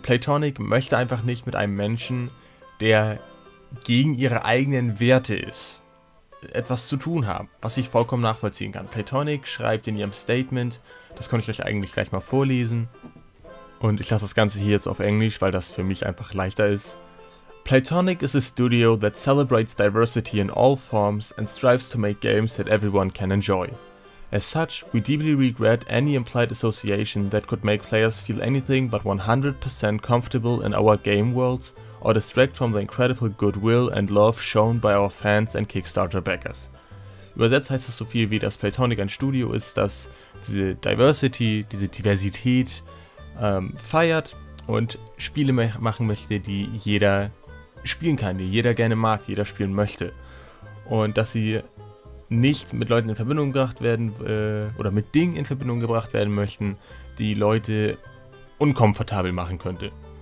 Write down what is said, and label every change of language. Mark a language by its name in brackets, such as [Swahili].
[German] Playtonic möchte einfach nicht mit einem Menschen, der gegen ihre eigenen Werte ist, etwas zu tun haben, was ich vollkommen nachvollziehen kann. Playtonic schreibt in ihrem Statement, das konnte ich euch eigentlich gleich mal vorlesen, und ich lasse das Ganze hier jetzt auf Englisch, weil das für mich einfach leichter ist. [English] Playtonic is a studio that celebrates diversity in all forms and strives to make games that everyone can enjoy. As such, we deeply regret any implied association that could make players feel anything but 100% comfortable in our game worlds or distract from the incredible goodwill and love shown by our fans and Kickstarter backers. [German] Übersetzt heißt das so viel wie, dass Playtonic ein Studio ist, das diese Diversity, diese Diversität feiert und Spiele machen möchte, die jeder spielen kann, die jeder gerne mag, jeder spielen möchte. Und dass sie nicht mit Leuten in Verbindung gebracht werden oder mit Dingen in Verbindung gebracht werden möchten, die Leute unkomfortabel machen könnte.